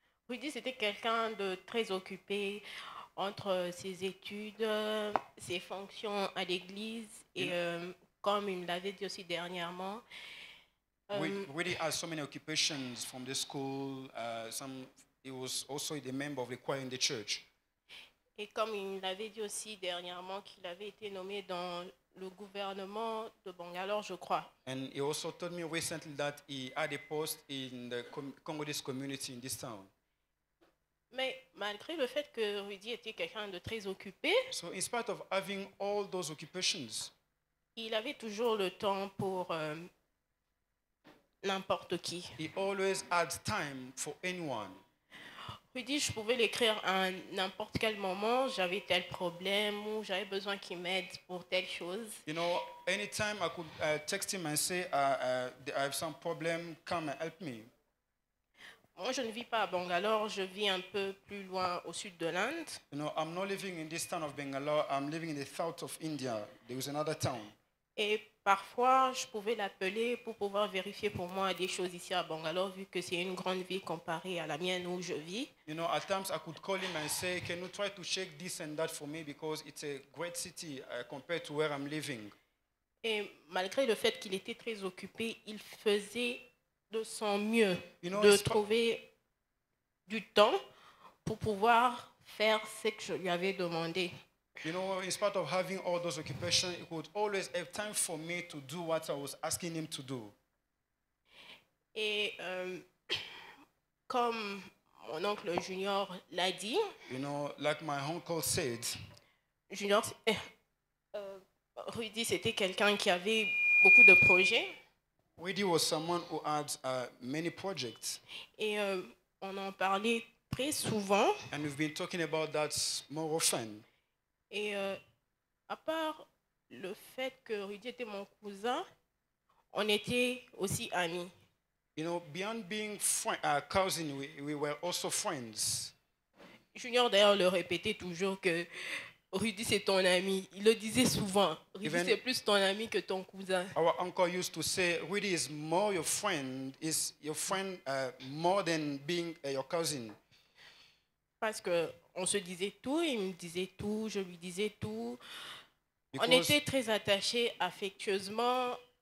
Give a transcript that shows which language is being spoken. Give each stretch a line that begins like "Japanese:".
French: Rudy c'était quelqu'un de très occupé entre ses études, ses fonctions à l'église et comme il l'avait dit aussi dernièrement.
English: Rudy has so many occupations from the school. He was also a member of the choir in the church.
French: Et comme il l'avait dit aussi dernièrement, qu'il avait été nommé dans le gouvernement de Bangalore, je crois.
English: And he also told me recently that he had a post in the Congolese community in this town.
French: Mais malgré le fait que Rudy était quelqu'un de très occupé.
English: So in spite of having all those occupations.
French: Il avait toujours le temps pour. N'importe qui.
English: He always had time for anyone.
French: Rudy, je pouvais l'écrire à n'importe quel moment, j'avais tel problème ou j'avais besoin qu'il m'aide pour telle chose.
English: You know, anytime I could text him and say I have some problem, come and help me.
French: Moi, je ne vis pas à Bangalore, je vis un peu plus loin au sud de l'Inde.
English: You know, I'm not living in this town of Bangalore, I'm living in the south of India. There is another town.
French: Et parfois, je pouvais l'appeler pour pouvoir vérifier pour moi des choses ici à Bangalore, vu que c'est une grande ville comparée à la mienne où je vis.
English: You know, at times I could call him and say, can you try to check this and that for me because it's a great city compared to where I'm living.
French: Et malgré le fait qu'il était très occupé, il faisait de son mieux de trouver du temps pour pouvoir faire ce que je lui avais demandé.
English: You know, in spite of having all those occupations, he would always have time for me to do what I was asking him to do.
French: Et comme mon oncle Junior l'a dit.
English: You know, like my uncle said.
French: Junior, Rudy, c'était quelqu'un qui avait beaucoup de projets.
English: Rudy was someone who had many projects.
French: Et on en parlait très souvent.
English: And we've been talking about that more often.
French: Et à part le fait que Rudy était mon cousin, on était aussi amis.
English: You know, beyond being cousin, we were also friends.
French: Junior d'ailleurs le répétait toujours que Rudy c'est ton ami. Il le disait souvent. Rudy Even c'est plus ton ami que ton cousin.
English: Our uncle used to say, Rudy is more your friend. Is your friend more than being your cousin?
French: Parce que on se disait tout, il me disait tout, je lui disais tout. Because on était très attachés affectueusement.